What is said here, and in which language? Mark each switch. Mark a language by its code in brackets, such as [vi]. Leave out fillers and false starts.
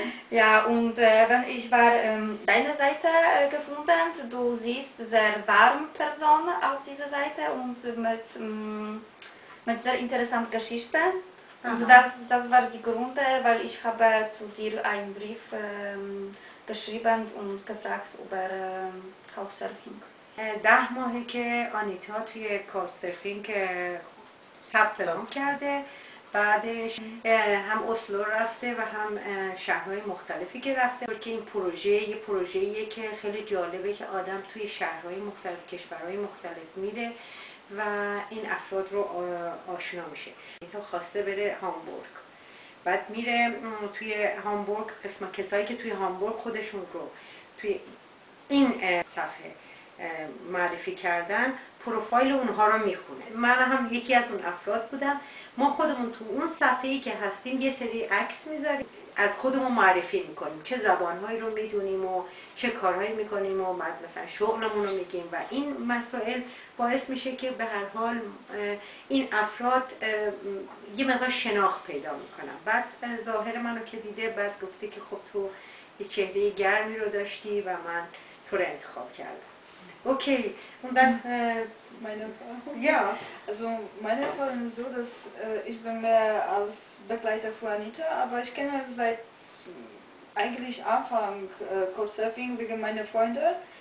[de] Ja, und wenn ich war deine Seite gefunden, du siehst sehr warme Person auf dieser Seite und mit sehr interessanten Geschichten. Und das war die Gründe, weil ich habe zu dir einen Brief geschrieben und gefragt über Couchsurfing. Das mache ich Anita für Couchsurfing Satzelung gerade. [fa] بعدش هم اسلو رفته و هم شهرهای مختلفی که رفته، که این پروژه یه پروژه‌ایه که خیلی جالبه که آدم توی شهرهای مختلف، کشورهای مختلف میره و این افراد رو آشنا میشه. این تو خواسته بره هامبورگ، بعد میره توی هامبورگ، قسم کسایی که توی هامبورگ خودشون رو توی این صفحه معرفی کردن پروفایل اونها رو میخونه. من هم یکی از اون افراد بودم. ما خودمون تو اون صفحه‌ای که هستیم یه سری عکس میذاریم، از خودمون معرفی میکنیم، چه زبانهایی رو میدونیم و چه کارهایی میکنیم و مثلا شغلمون رو میگیم و این مسائل باعث میشه که به هر حال این افراد یه مقدار شناخت پیدا میکنن. بعد ظاهر منو که دیده بعد گفته که خب تو یه چهره گرمی رو داشتی و من تو رو انتخاب کردم. [de] Okay, und dann meine Frage. Ja, also meine Frage ist so, dass ich bin mehr als Begleiter für Anita, aber ich kenne seit eigentlich Anfang Couchsurfing wegen meiner Freunde,